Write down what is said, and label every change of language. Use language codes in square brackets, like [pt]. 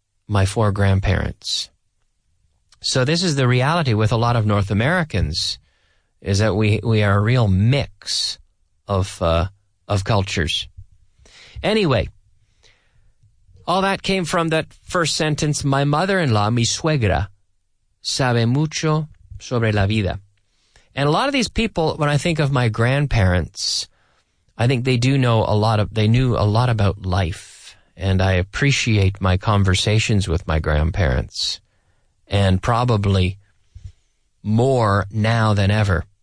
[en] My four grandparents. So this is the reality with a lot of North Americans, is that we are a real mix of cultures. Anyway, all that came from that first sentence. My mother-in-law, [es] mi suegra, sabe mucho sobre la vida. [en] And a lot of these people, when I think of my grandparents, I think they knew a lot about life. And I appreciate my conversations with my grandparents, and probably more now than ever.